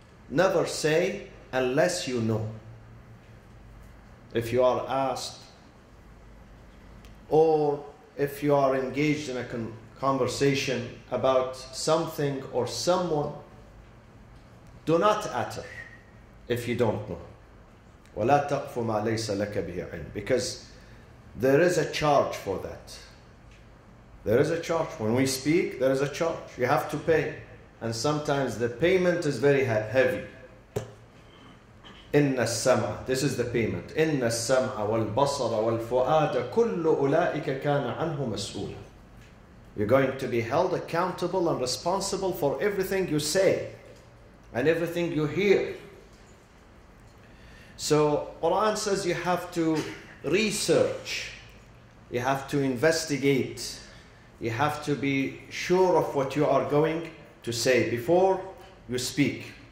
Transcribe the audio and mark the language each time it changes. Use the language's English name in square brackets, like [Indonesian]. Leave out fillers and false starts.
[English] Never say unless you know. If you are asked, or if you are engaged in a conversation about something or someone, do not utter if you don't know. [Arabic] وَلَا تَقْفُ مَا لَيْسَ لَكَ بِهِ عِلْمٍ. [English] Because there is a charge for that. There is a charge. When we speak, there is a charge. You have to pay. And sometimes the payment is very heavy. [Arabic] إِنَّ السَّمْعَ. [English] This is the payment. [Arabic] إِنَّ السَّمْعَ وَالْبَصَرَ وَالْفُؤَادَ كُلُّ أُولَٰئِكَ كَانَ عَنْهُ مَسْؤُولًا. [English] You're going to be held accountable and responsible for everything you say and everything you hear. So Quran says you have to research, you have to investigate, you have to be sure of what you are going to say before you speak.